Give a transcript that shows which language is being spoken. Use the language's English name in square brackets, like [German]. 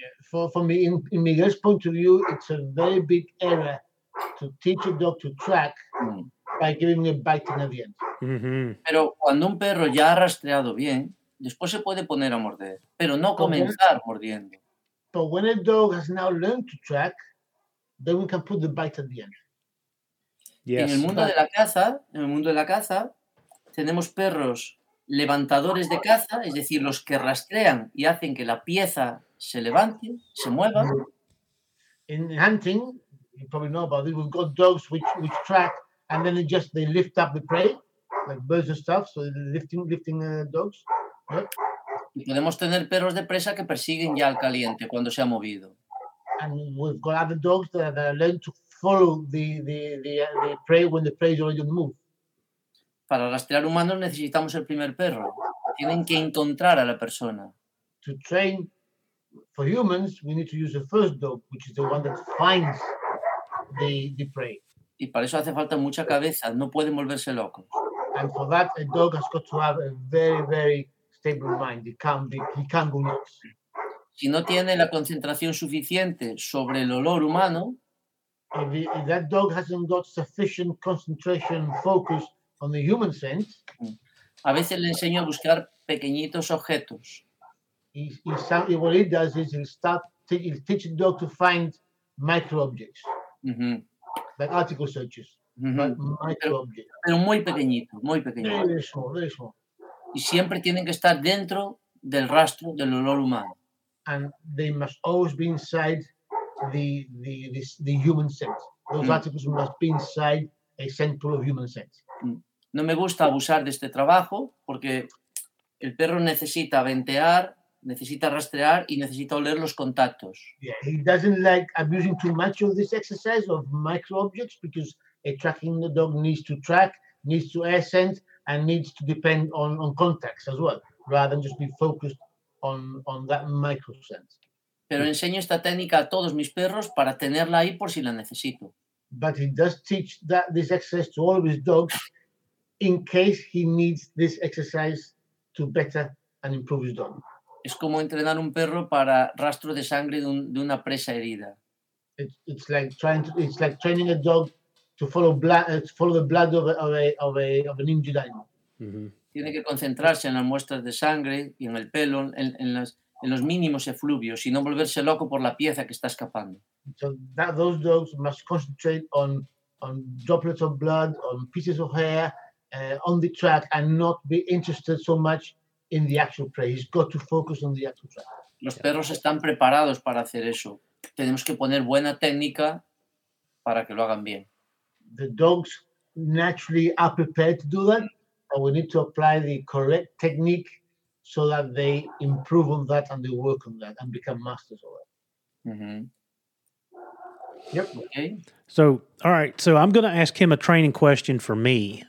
[English] For me, in Miguel's point of view, it's a very big error to teach a dog to track by giving a bite in the end. [Spanish] Pero cuando un perro ya ha rastreado bien, después se puede poner a morder, pero no comenzar mordiendo. [English] But when a dog has now learned to track, then we can put the bite at the end. Yes. [Spanish] En el mundo de la caza, en el mundo de la caza, tenemos perros levantadores de caza, es decir, los que rastrean y hacen que la pieza se levante, se mueva. [English] In hunting, you probably know about it, we've got dogs which track and then they lift up the prey, like birds and stuff, so they're lifting dogs. [Spanish] Y podemos tener perros de presa que persiguen ya al caliente cuando se ha movido. [English] And we've got other dogs that are learned to follow the prey when the prey is already on the move. [Spanish] Para rastrear humanos necesitamos el primer perro. Tienen que encontrar a la persona. [English] To train for humans, we need to use the first dog, which is the one that finds the prey. [Spanish] Y para eso hace falta mucha cabeza. No pueden volverse locos. [English] And for that, a dog has got to have a very, very stable mind. He can't go nuts. [Spanish] Si no tiene la concentración suficiente sobre el olor humano, [English] if that dog hasn't got sufficient concentration focus on the human scent, [Spanish] a veces le enseño a buscar pequeñitos objetos. [English] What it does is it'll teach the dog to find micro objects, like article searches, micro objects. [Spanish] Pero muy pequeñito, muy pequeñito. [English] Very small. [Spanish] Y siempre tienen que estar dentro del rastro del olor humano. [English] And they must always be inside the human scent. Those articles must be inside a scent pool of human scent. [Spanish] No me gusta abusar de este trabajo porque el perro necesita ventear, necesita rastrear y necesita oler los contactos. [English] Yeah, he doesn't like abusing too much of this exercise of micro objects because a tracking dog needs to track, needs to air scent, and needs to depend on contacts as well, rather than just be focused on that micro scent. [Spanish] Pero enseño esta técnica a todos mis perros para tenerla ahí por si la necesito. [English] But he does teach that this exercise to all of his dogs in case he needs this exercise to better and improve his dog. [Spanish] Es como entrenar un perro para rastro de sangre de una presa herida. [English] It's like training a dog to follow the blood of an injured animal. [Spanish] Tiene que concentrarse en las muestras de sangre y en el pelo, en los mínimos efluvios, y no volverse loco por la pieza que está escapando. [English] So those dogs must concentrate on droplets of blood, on pieces of hair, on the track, and not be interested so much in the actual prey. He's got to focus on the actual track. [Spanish] Los perros están preparados para hacer eso. Tenemos que poner buena técnica para que lo hagan bien. [English] The dogs naturally are prepared to do that, but we need to apply the correct technique so that they improve on that and they work on that and become masters of it. Mm-hmm. Yep. Okay. So, all right. So I'm going to ask him a training question for me.